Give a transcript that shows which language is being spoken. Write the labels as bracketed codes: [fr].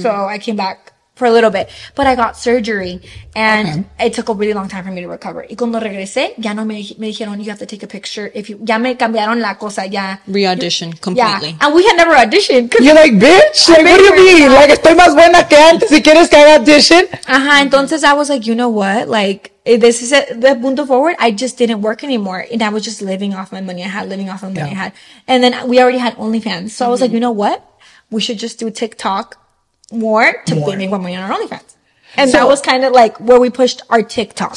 [en] So I came back for a little bit, but I got surgery, and it took a really long time for me to recover. [es] Y cuando regresé, ya no me dijeron, you have to take a picture. Ya me cambiaron la cosa, ya. [en] Re-audition completely. Yeah. And we had never auditioned. You're like, bitch, like, what do you mean? Yeah. [es] Like, estoy más buena que antes, si quieres que haga audition. [en] Ajá, entonces I was like, you know what? Like, this is the punto forward. I just didn't work anymore, and I was just living off my money I had. And then we already had OnlyFans, so I was like, you know what? We should just do TikTok more to make more money on our OnlyFans. And so, that was kind of like where we pushed our TikTok.